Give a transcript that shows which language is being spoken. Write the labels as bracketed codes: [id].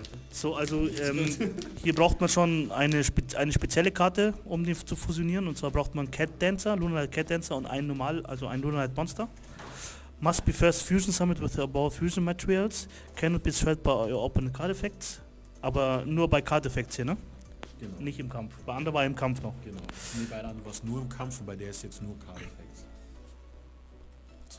[de] So, also hier braucht man schon eine spezielle Karte, um den zu fusionieren. Und zwar braucht man Cat Dancer, Lunalight Cat Dancer und ein normal, also ein Lunalight Monster. [en] Must be first fusion summoned with the above fusion materials. Cannot be shred by your opponent card effects. [de] Aber nur bei Card Effects hier, ne? Genau. Nicht im Kampf. Bei anderen war im Kampf noch. Genau. Nee, bei anderen war es nur im Kampf und bei der ist jetzt nur Card Effects.